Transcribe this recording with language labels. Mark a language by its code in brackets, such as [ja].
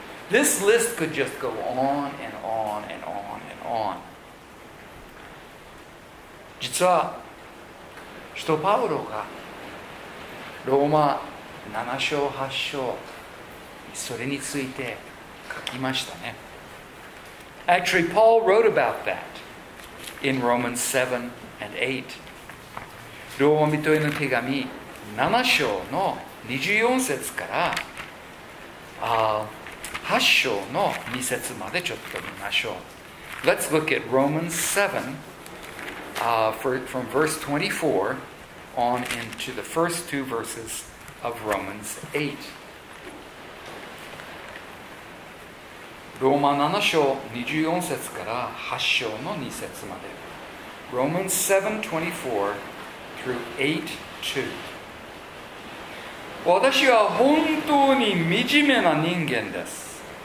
[en] This list could just go on and on and on and on. [ja] 実は使徒パウロがローマ7章8章それについて書きましたね。 [en] Actually, Paul wrote about that in Romans 7 and 8. [ja] ローマ人への手紙7章の24節から8章の2節までちょっと見ましょう。 [en] Let's look at Romans 7 from verse 24. On into the first two verses of Romans 8. [ja] ローマ7章24節から8章の2節まで。 [en] Romans 7:24 through 8:2. [ja] 私は本当に惨めな人間です。